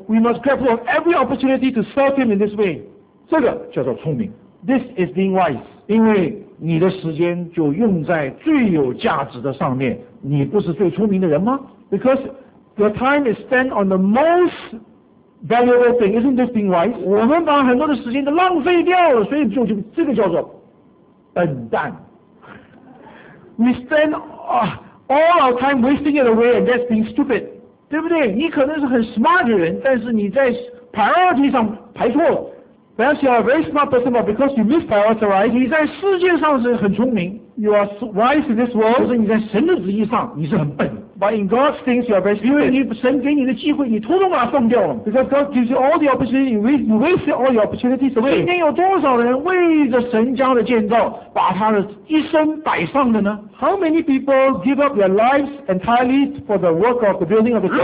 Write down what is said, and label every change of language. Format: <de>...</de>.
<en>we must grab hold of every opportunity to serve him in this way,</en> <zh>这个叫做聪明</zh> <en>this is being wise,</en> <zh>因为你的时间就用在最有价值的上面你不是最聪明的人吗</zh> <en>becauseYour time is spent on the most valuable thing. Isn't this being wise?</en> <zh>我们把很多的时间都浪费掉了，所以就这个叫做笨蛋。</zh> <en>We spend all our time wasting it away, and that's being stupid.</en> <zh>对不对？你可能是很 smart 的人，但是你在 priority 上排错了。</zh> <en>Perhaps you are a very smart person, but because you misprioritize,</en> <zh>你在世界上是很聪明。</zh> <en>You are wise in this world.</en> <zh>就是你在神的旨意上，你是很笨。</zh> <en>But in God's things, you are very stupid.</en> <zh>因为你神给你的机会，你偷偷把它放掉了。</zh> <en>Because God gives you all the opportunities, you waste all your opportunities away.</en> <zh>今天有多少人为着神家的建造，把他的一生摆上了呢？</zh> <en>How many people give up their lives entirely for the work of the building of the church?</en>